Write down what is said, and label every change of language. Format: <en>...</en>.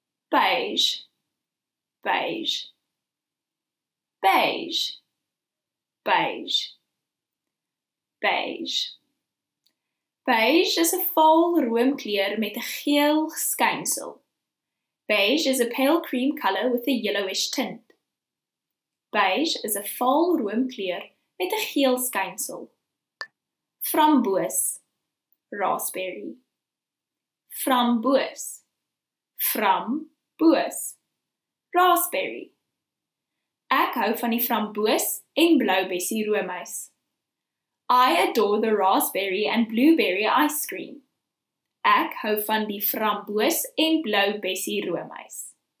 <af>Beige. Beige. Beige. Beige. Beige. Beige is 'n vaal roomkleur met 'n geel skynsel.</af> <en>Beige is a pale cream colour with a yellowish tint.</en> <af>Beige is a vaal roomkleur met 'n geel skynsel. Framboos. Raspberry. Framboos. Framboos. Raspberry. Ek hou van die framboos en bloubessie roomys.</af> <en>I adore the raspberry and blueberry ice cream.</en> <af>Ek hou van die framboos en bloubessie roomys.</af>